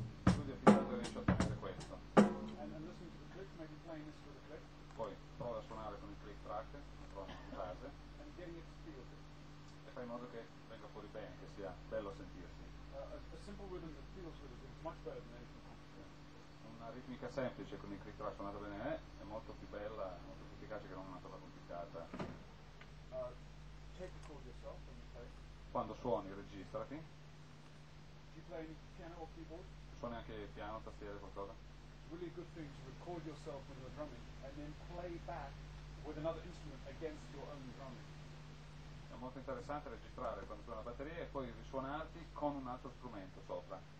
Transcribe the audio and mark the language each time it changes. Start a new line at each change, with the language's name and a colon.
Italian: Quindi è più tardi riesci a ottenere questo.
English: And listen to the click, maybe playing this with a click.
Italian: Poi prova a suonare con il click track, la prossima fase.
English: And getting it to feel good.
Italian: E fai in modo che venga fuori bene, che sia bello sentirsi.
English: A simple rhythm that feels good is much better than anything complicated.
Italian: Una ritmica semplice con il click track suonato bene è molto più bella, molto più efficace che non una cosa complicata.
English: Take a call yourself when you play.
Italian: Quando suoni, registrati.
English: Do you play any piano or keyboard?
Italian: Suoni anche piano, tastiere, qualcosa.
English: It's really a good thing to record yourself when you're drumming and then play back with another instrument against your own drumming.
Italian: È molto interessante registrare quando suona la batteria e poi risuonarti con un altro strumento sopra.